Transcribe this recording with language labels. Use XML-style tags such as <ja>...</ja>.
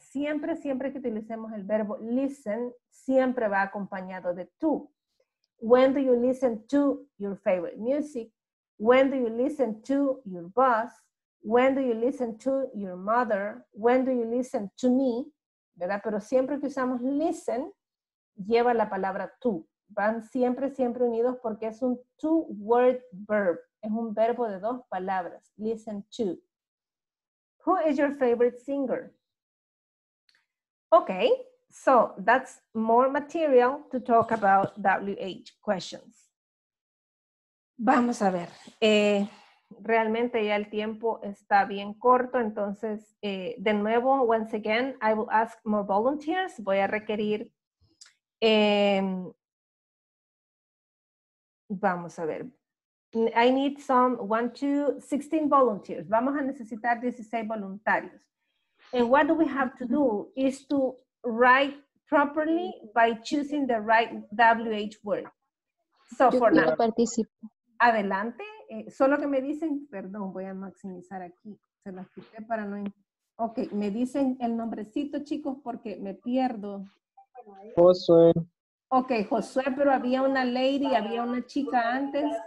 <es>Siempre, siempre que utilicemos el verbo listen, siempre va acompañado de to.</es> <en>When do you listen to your favorite music? When do you listen to your boss? When do you listen to your mother? When do you listen to me?</en> <es>¿Verdad? Pero siempre que usamos listen, lleva la palabra to. Van siempre, siempre unidos porque es un two-word verb. Es un verbo de dos palabras. Listen to.</es> <en>Who is your favorite singer? Okay, so that's more material to talk about WH questions.</en> <es>Vamos a ver. Realmente ya el tiempo está bien corto, entonces de nuevo,</es> <en>once again, I will ask more volunteers.</en> <es>Voy a requerir, vamos a ver.</es> <en>I need some 16 volunteers.</en> <es>Vamos a necesitar 16 voluntarios.</es> <en>And what do we have to do is to write properly by choosing the right WH word. So yo for now.</en> <es>Participo. Adelante. Solo que me dicen, perdón, voy a maximizar aquí. Se las quité para no. Ok, me dicen el nombrecito, chicos, porque me pierdo. Josué. Ok, Josué, pero había una lady, había una chica antes.</es>